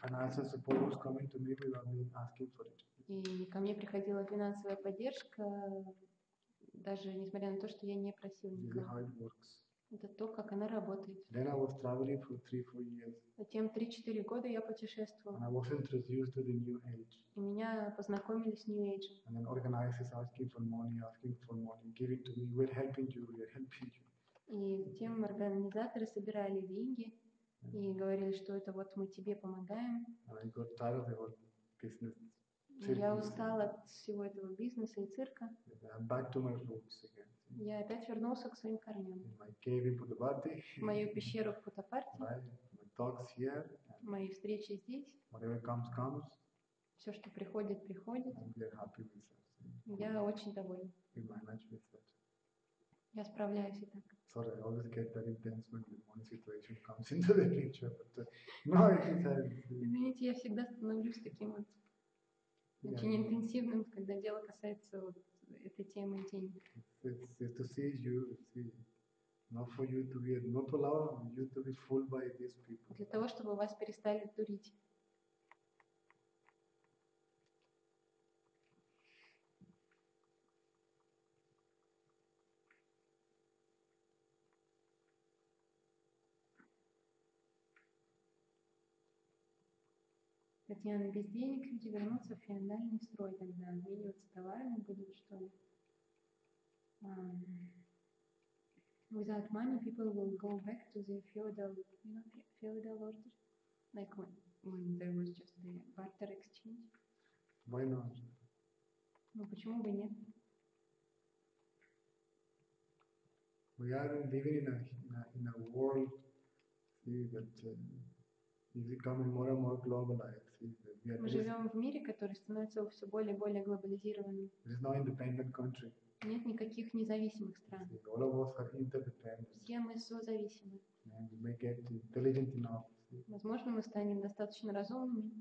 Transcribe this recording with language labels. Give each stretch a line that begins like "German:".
English: Financial support was coming to me without me asking for it.
Russian: И ко мне приходила финансовая поддержка, даже несмотря на то, что я не просил никого. Это то, как она работает.
English: Then I was traveling for 3-4 years.
Russian: Затем 3-4 года я путешествовал.
English: And I was introduced to the New Age.
Russian: И меня познакомили с New Age.
English: And then organizers asking for money, give it to me, we're helping you, we're helping you.
Russian: И затем организаторы собирали деньги и говорили, что это вот мы тебе помогаем.
English: And I got tired of the whole business.
Russian: Я устал от всего этого бизнеса и цирка.
English: Back to my roots again.
Russian: Я опять вернулся к своим корням.
English: In my cave in Puttaparthy.
Russian: В мою пещеру в Путтапарти.
English: My talks here.
Russian: Мои встречи здесь.
English: Whatever comes, comes.
Russian: Все, что приходит, приходит.
English: And we're happy with that.
Russian: Я очень доволен.
English: We manage with that.
Russian: Я справляюсь и так.
English: Sorry, I always get that intense when the money situation comes into the picture. But, no, it's a...
Russian: Извините, я всегда становлюсь таким вот очень интенсивным, когда дело касается вот этой темы денег.
English: To see you, see, not for you to be, not allow you to be fooled by these people.
Russian: Для того, чтобы вас перестали дурить. Татьяна, без денег люди вернутся в феодальный строй, тогда обмениваться товарами будут, что ли?
English: Without money, people will go back to the feudal, you know, feudal order. Like when there was just the barter exchange. Why not?
Russian: Ну почему бы нет?
English: We are living in a world that is becoming more and more globalized.
Russian: Мы живем в мире, который становится все более и более глобализированным.
English: There is no independent country.
Russian: Нет никаких независимых стран.
English: All of us are interdependent.
Russian: Все мы созависимы.
English: And we get intelligent enough.
Russian: Возможно, мы станем достаточно разумными.